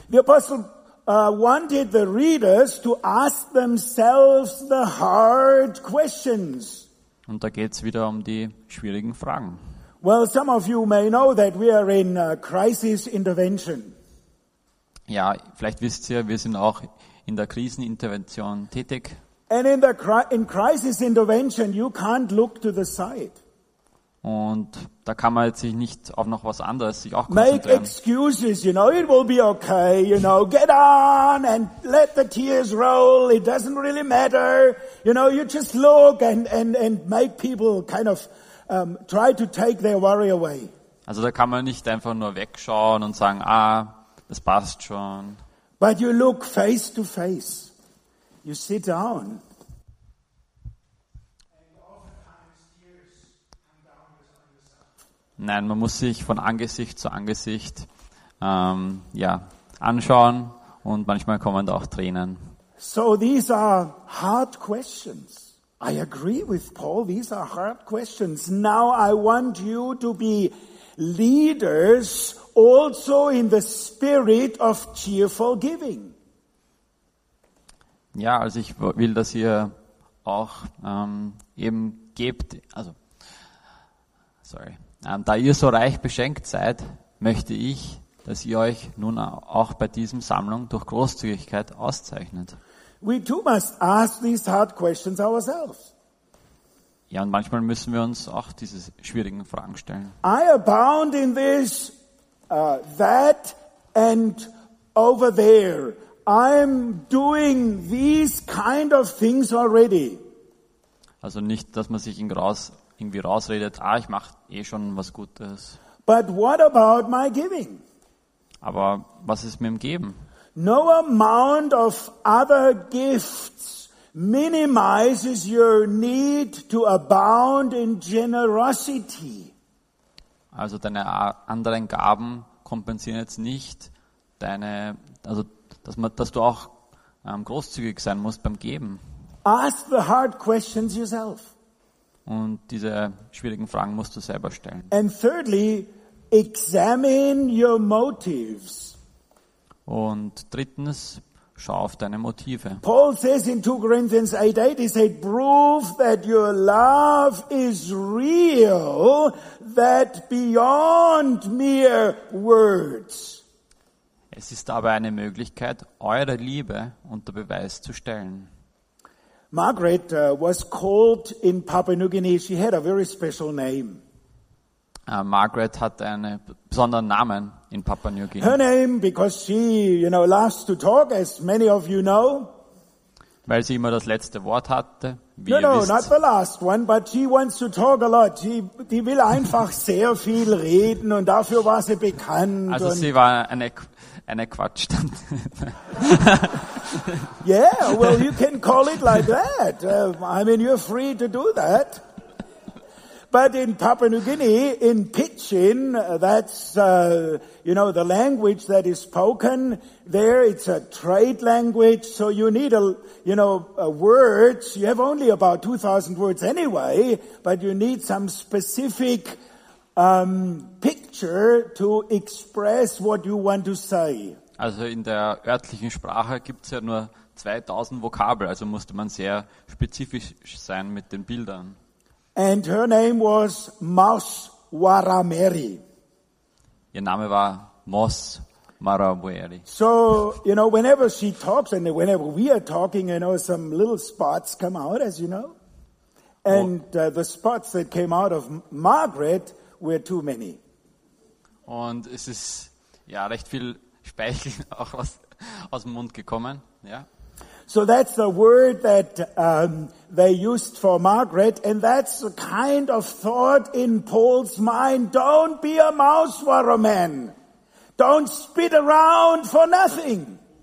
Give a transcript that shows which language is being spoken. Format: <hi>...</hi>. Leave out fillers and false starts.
<en>The apostle wanted the readers to ask themselves the hard questions.</en> <de>Und da geht's wieder um die schwierigen Fragen.</de> <en>Well, some of you may know that we are in crisis intervention.</en> <de>Ja, vielleicht wisst ihr, wir sind auch in der Krisenintervention tätig.</de> <en>And in crisis intervention, you can't look to the side.</en> <de>Und da kann man jetzt sich nicht auf noch was anderes sich auch konzentrieren.</de> <en>Make excuses, you know, it will be okay, you know, get on and let the tears roll, it doesn't really matter, you know, you just look and make people kind of try to take their worry away.</en> <de>Also da kann man nicht einfach nur wegschauen und sagen, ah, das passt schon.</de> <en>But you look face to face, you sit down.</en> <de>Nein, man muss sich von Angesicht zu Angesicht anschauen und manchmal kommen da auch Tränen.</de> <en>So these are hard questions. I agree with Paul, these are hard questions. Now I want you to be leaders also in the spirit of cheerful giving.</en> <de>Ja, also ich will, dass ihr auch eben gebt, also sorry. Da ihr so reich beschenkt seid, möchte ich, dass ihr euch nun auch bei diesem Sammlung durch Großzügigkeit auszeichnet.</de> <en>We too must ask these hard questions ourselves.</en> <de>Ja, und manchmal müssen wir uns auch diese schwierigen Fragen stellen.</de> <en>I abound in this, that and over there. I'm doing these kind of things already.</en> <de>Also nicht, dass man sich irgendwie rausredet, ah, ich mache eh schon was Gutes.</de> <en>But what about my giving?</en> <de>Aber was ist mit dem Geben?</de> <en>No amount of other gifts minimizes your need to abound in generosity.</en> <de>Also deine anderen Gaben kompensieren jetzt nicht, deine, also dass man, dass du auch großzügig sein musst beim Geben.</de> <en>Ask the hard questions yourself.</en> <de>Und diese schwierigen Fragen musst du selber stellen.</de> <en>And thirdly, examine your motives.</en> <de>Und drittens, schau auf deine Motive.</de> <en>Paul says in 2 Corinthians 8:8, he said, prove that your love is real, that beyond mere words.</en> <de>Es ist aber eine Möglichkeit, eure Liebe unter Beweis zu stellen.</de> <en>Margaret was called in Papua New Guinea, she had a very special name.</en> <de>Margaret hat einen besonderen Namen in Papua New Guinea.</de> <en>Her name, because she, you know, loves to talk, as many of you know.</en> <de>Weil sie immer das letzte Wort hatte. Wie no, ihr wisst.</de> <en>Not the last one, but she wants to talk a lot.</en> <de>Die will einfach sehr viel reden und dafür war sie bekannt. Also und sie war eine Quatsch.</de> <en>Yeah, well, you can call it like that. I mean, you're free to do that. But in Papua New Guinea, in Pidgin, that's, you know, the language that is spoken there, it's a trade language, so you need, words. You have only about 2,000 words anyway, but you need some specific picture to express what you want to say.</en> <de>Also in der örtlichen Sprache gibt es ja nur 2,000 Vokabel, also musste man sehr spezifisch sein mit den Bildern.</de> <en>And her name was Moss Warameri.</en> <de>Ihr Name war Moss Warameri.</de> <en>So, you know, whenever she talks and whenever we are talking, you know, some little spots come out, as you know. And the spots that came out of Margaret were too many.</en> <de>Und es ist ja recht viel Speichel auch aus dem Mund gekommen, ja.</de> <en>So that's the word that they used for Margaret, and that's the kind of thought in Paul's mind. Don't be a mouse waterman. Don't spit around for nothing.</en>